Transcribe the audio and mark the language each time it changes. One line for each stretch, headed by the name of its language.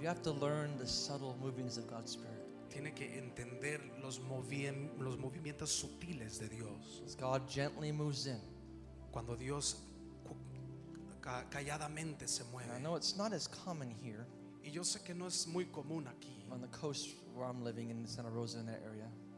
English: you have to learn the subtle movings of God's Spirit.
Spanish: Tiene que entender los movimientos sutiles de Dios.
English: As God gently moves in,
Spanish: cuando Dios calladamente se mueve.
English: And I know it's not as common here.
Spanish: Y yo sé que no es muy común aquí.
English: On the coast where I'm living in Santa Rosa in that area.